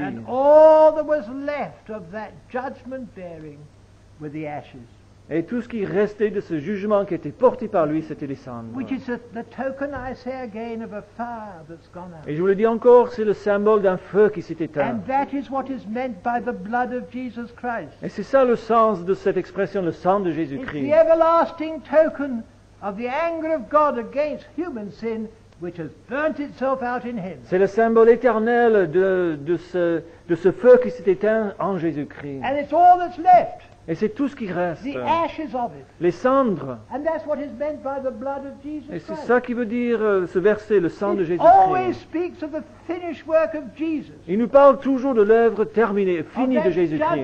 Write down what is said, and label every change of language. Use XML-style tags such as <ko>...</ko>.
<en>And all that was left of that judgment bearing were the ashes.</en> <fr>Et tout ce qui restait de ce jugement qui était porté par lui, c'était les cendres.</fr> <en>Which is the token I say again of a fire that's gone out.</en> <fr>Et je vous le dis encore, c'est le symbole d'un feu qui s'est éteint.</fr> <en>And that is what is meant by the blood of Jesus Christ.</en> <fr>Et c'est ça le sens de cette expression, le sang de Jésus-Christ.</fr> <en>It's the everlasting token of the anger of God against human sin. Which has burnt itself out in him.</en> <fr>C'est le symbole éternel de ce feu qui s'est éteint en Jésus-Christ.</fr> <en>And it's all that's left.</en> <fr>Et c'est tout ce qui reste.</fr> <en>The ashes of it.</en> <fr>Les cendres.</fr> <en>And that's what is meant by the blood of Jesus Christ.</en> <fr>Et c'est ça qui veut dire ce verset, le sang</fr> <en>it</en> <fr>de Jésus-Christ.</fr> <en>Always speaks of the finished work of Jesus.</en> <fr>Il nous parle toujours de l'œuvre terminée, finie de Jésus-Christ.</fr>